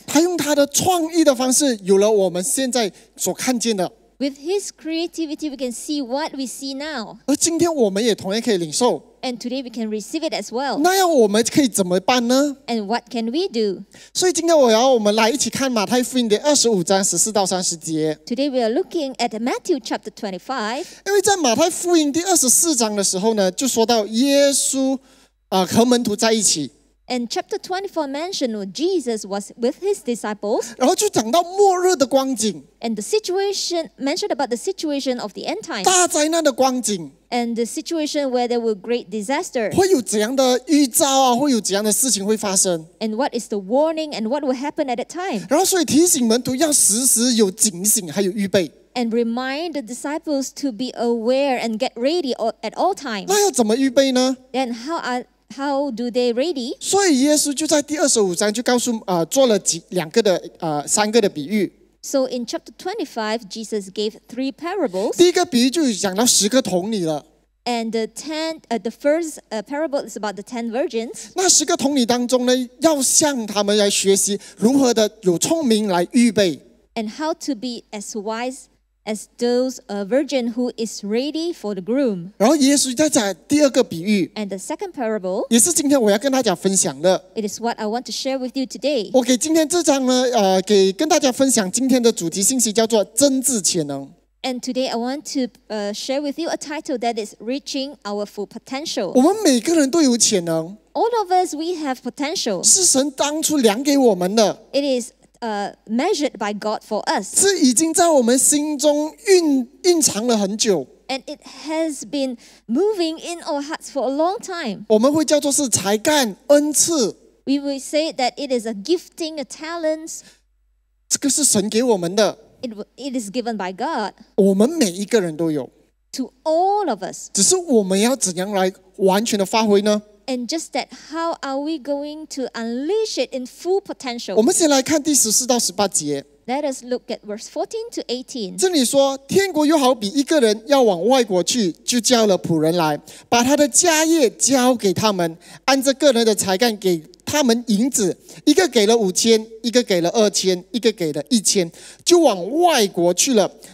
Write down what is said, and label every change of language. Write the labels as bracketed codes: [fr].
[zh] 他用他的创意的方式有了我们现在所看见的 [en] With his creativity we can see what we see now [zh] 而今天我们也同样可以领受 [en] And today we can receive it as well [zh] 那样我们可以怎么办呢 [en] And what can we do [zh] 所以今天我要我们来一起看马太福音的25章14到30节 [en] Today we are looking at Matthew chapter 25 [zh] 因为在马太福音第24章的时候呢就说到耶稣和门徒在一起 [en] And chapter 24 mentioned Jesus was with his disciples. [zh] 然后就讲到末日的光景, [en] and the situation mentioned about the situation of the end times. [zh] 大灾难的光景, [en] and the situation where there were great disasters. [zh] 会有怎样的预兆啊, 会有怎样的事情会发生, [en] and what is the warning and what will happen at that time? [zh] 然后所以提醒门徒要时时有警醒, [en] and remind the disciples to be aware and get ready at all times. [zh] 那要怎么预备呢? [en] And how do they ready? [zh] 所以耶稣就在第25章就告诉, 做了三个的比喻。 [en] So in chapter 25, Jesus gave three parables. [zh] 第一个比喻就讲到十个童女了。 [en] And the first parable is about the 10 virgins. [zh] 那十个童女当中呢, 要向他们来学习如何的有聪明来预备。 [en] And how to be as wise as those a virgin who is ready for the groom. [zh] 然后耶稣再讲第二个比喻, [en] and the second parable, [zh] 也是今天我要跟大家分享的, [en] it is what I want to share with you today. [zh] 我给今天这章呢, 给跟大家分享今天的主题信息叫做真智潜能。 [en] And today I want to share with you a title that is reaching our full potential. [zh] 我们每个人都有潜能, [en] all of us, we have potential. [zh] 是神当初量给我们的, [en] it is measured by God for us. [zh] 是已经在我们心中蕴藏了很久。 [en] And it has been moving in our hearts for a long time. [zh] 我们会叫做是才干恩赐。 [en] We will say that it is a gifting, a talent. [zh] 这个是神给我们的。 [en] It is given by God. [zh] 我们每一个人都有。 [en] To all of us. [zh] 只是我们要怎样来完全的发挥呢? [en] And just that, how are we going to unleash it in full potential? [zh] 我们先来看第14到18节。 [en] Let us look at verse 14 to 18. [zh] 这里说, 天国又好比一个人要往外国去, 就叫了仆人来, 把他的家业交给他们, 按着个人的才干给他们银子, 一个给了5000, 一个给了2000, 一个给了1000, 就往外国去了。